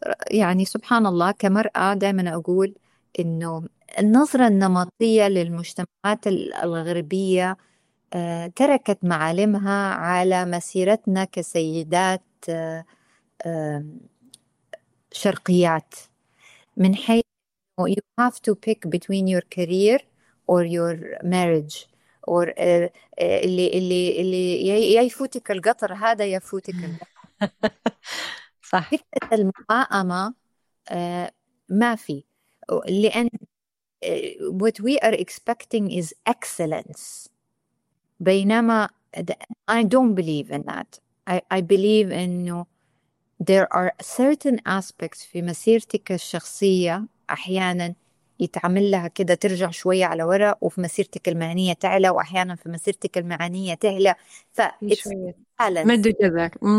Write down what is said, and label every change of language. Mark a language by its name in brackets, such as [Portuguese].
[Arabic] يعني سبحان الله كمرأة دائما أقول إنه النظرة النمطية للمجتمعات الغربية تركت معالمها على مسيرتنا كسيدات شرقيات، من حيث [English] you have to pick between your career or your marriage or [Arabic] اللي يا يفوتك القطر هذا يا يفوتك القطر. صح. فكرة الموائمة ما في، لأن [English] what we are expecting is excellence، [Arabic] بينما [English] I don't believe in that. I believe in there are certain aspects [Arabic] في مسيرتك الشخصية أحيانا يتعمل لها كده ترجع شوية على وراء، وفي مسيرتك المهنية تعلى، وأحيانا في مسيرتك المهنية تعلى. [English] ف it's [Arabic] شوية [English] balance، [Arabic] مد جذر.